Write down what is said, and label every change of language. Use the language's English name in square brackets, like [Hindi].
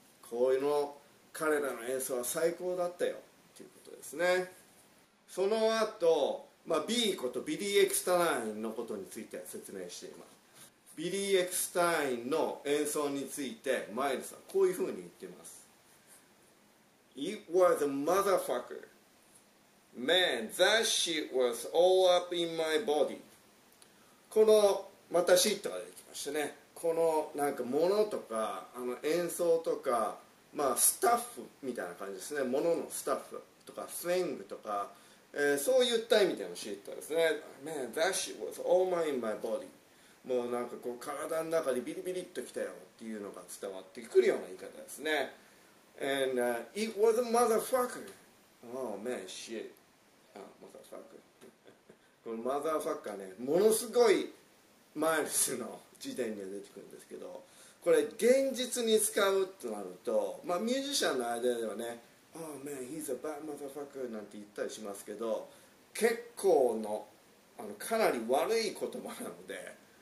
[Japanese] こういうの、彼らの演奏は最高だったよということですね。その後、まあ、B ことビリー・エクスタインのことについて説明しています。ビリー・エクスタインの演奏についてマイルスはこういうふうに言っています。 [English] It was a motherfucker. Man, that shit was all up in my body. [Japanese] このまたシットが出てきましたね。このなんか物とか演奏とか、まあ、スタッフみたいな感じですね。物のスタッフとかスイングとか、そういった意味でのシートですね。 [English] Man, that shit was all my, in my body. [Japanese] もうなんかこう体の中にビリビリっときたよっていうのが伝わってくるような言い方ですね。 [English] And、it was a motherfucker. Oh man, shit. [Japanese] あ、 [English] motherfucker. [Japanese] この motherfucker ね、ものすごいマイルスの時点には出てくるんですけど、これ現実に使うとなると、まあ、ミュージシャンの間ではね [English] Oh man, he's a bad motherfucker [Japanese] なんて言ったりしますけど、結構 あのかなり悪い言葉なので